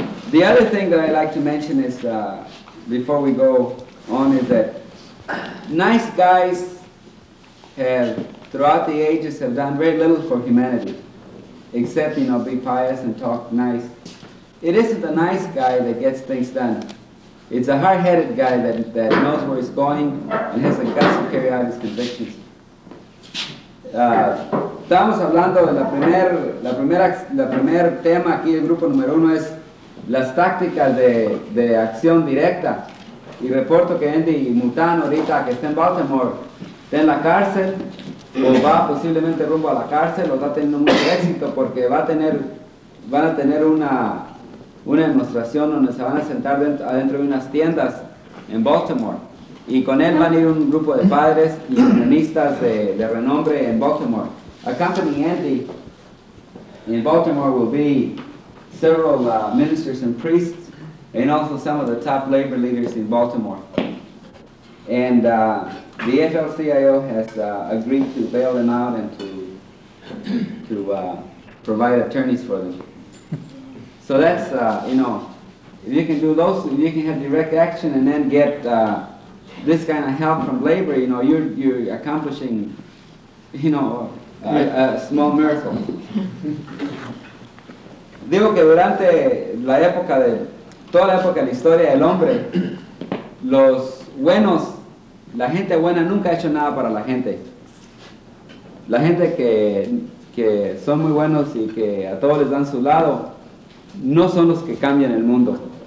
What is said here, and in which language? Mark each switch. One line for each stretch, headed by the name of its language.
English: The other thing that I'd like to mention is, before we go on, is that nice guys have, throughout the ages, have done very little for humanity, except, you know, be pious and talk nice. It isn't the nice guy that gets things done. It's a hard-headed guy that knows where he's going and has the guts to carry out his convictions.
Spanish: Estamos hablando de la primer tema aquí, el grupo número uno, es las tácticas de acción directa. Y reporto que Andy y Mutano ahorita que está en Baltimore, está en la cárcel, o va posiblemente rumbo a la cárcel, o está teniendo mucho éxito porque van a tener una demostración donde se van a sentar adentro de unas tiendas en Baltimore. Y con él van a ir un grupo de padres y humanistas de renombre en Baltimore.
English: Accompanying Andy in Baltimore will be several ministers and priests and also some of the top labor leaders in Baltimore. And the FL-CIO has agreed to bail them out and to provide attorneys for them. So that's, you know, if you can do those, if you can have direct action and then get this kind of help from labor, you know, you're accomplishing, you know, a small miracle.
Spanish: Digo que durante la época de, toda la época de la historia del hombre, los buenos, la gente buena nunca ha hecho nada para la gente. La gente que son muy buenos y que a todos les dan su lado, no son los que cambian el mundo.